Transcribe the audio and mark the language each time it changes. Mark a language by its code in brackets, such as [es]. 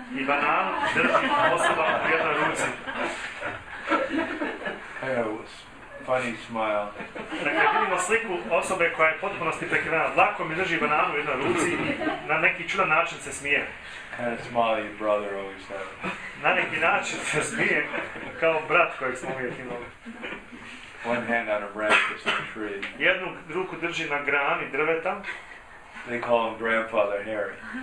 [bs] I banan drži osoba u jednoj ruci. [en] I have a funny smile. [bs] Dakle, vidimo sliku osobe koja je potpunosti prekrivena dlakom i drži bananu u jednoj ruci i na neki čudan način se smije. [en] Kind of smile your brother always have. [bs] Na neki način se smije kao brat kojeg smo uvijek imali. [en] One hand on a branch of some tree. [bs] Jednu ruku drži na grani drveta. [en] They call him Grandfather Harry.